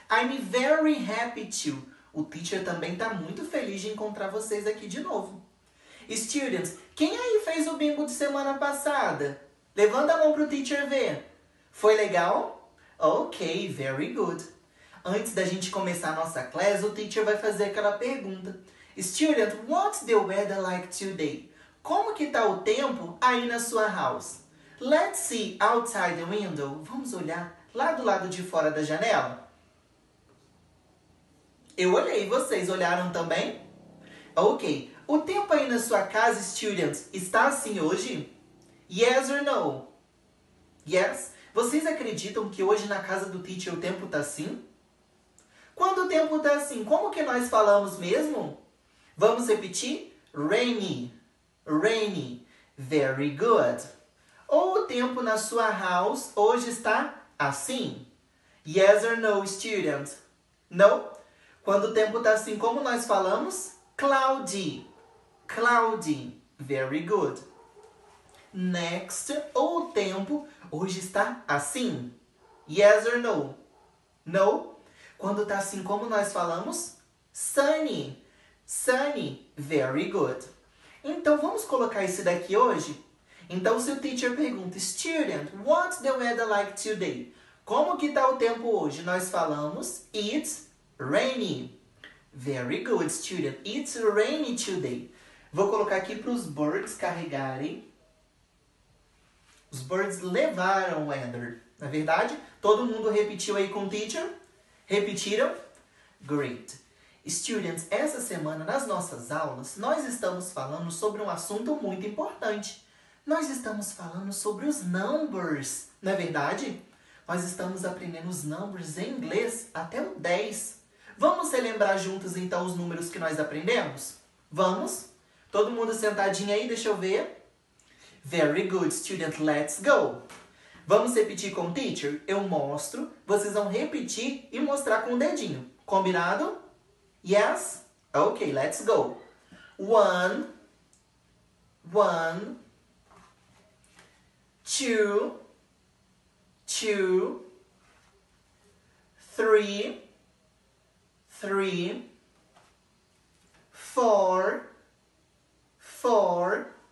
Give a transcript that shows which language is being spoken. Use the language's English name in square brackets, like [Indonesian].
[English] I'm very happy too. [Portuguese] O teacher também tá muito feliz de encontrar vocês aqui de novo. Students, quem aí fez o bingo de semana passada? Levanta a mão para o teacher ver. Foi legal? [English] Ok, very good. [Portuguese] Antes da gente começar a nossa class, o teacher vai fazer aquela pergunta. [English] Student, what's the weather like today? [Portuguese] Como que tá o tempo aí na sua house? [English] Let's see outside the window. [Portuguese] Vamos olhar lá do lado de fora da janela. Eu olhei, vocês olharam também? Ok, o tempo aí na sua casa, students, está assim hoje? [English] Yes or no? Yes? [Portuguese] Vocês acreditam que hoje na casa do teacher o tempo tá assim? Quando o tempo está assim, como que nós falamos mesmo? Vamos repetir? [English] Rainy. Rainy. Very good. [Portuguese] Ou o tempo na sua house hoje está assim? [English] Yes or no, student? No? [Portuguese] Quando o tempo está assim, como nós falamos? [English] Cloudy. Cloudy. Very good. Next. [Portuguese] Ou o tempo hoje está assim? [English] Yes or no? No? [Portuguese] Quando está assim, como nós falamos? [English] Sunny. Sunny. Very good. [Portuguese] Então, vamos colocar esse daqui hoje? Então, se o teacher pergunta, [English] Student, what's the weather like today? [Portuguese] Como que está o tempo hoje? Nós falamos, [English] It's rainy. Very good, student. It's rainy today. [Portuguese] Vou colocar aqui para os birds carregarem. Os birds levaram o weather. Na verdade, todo mundo repetiu aí com o teacher? Repetiram? Great. Students, essa semana nas nossas aulas nós estamos falando sobre um assunto muito importante. Nós estamos falando sobre os numbers, não é verdade? Nós estamos aprendendo os numbers em inglês até o 10. Vamos relembrar juntos então os números que nós aprendemos? Vamos? Todo mundo sentadinho aí, deixa eu ver. [English] Very good, student, let's go. [Portuguese] Vamos repetir com o teacher? Eu mostro, vocês vão repetir e mostrar com o dedinho. [English] Combinado? Yes? Ok, let's go. One. One. Two. Two. Three. Three. Four. Four.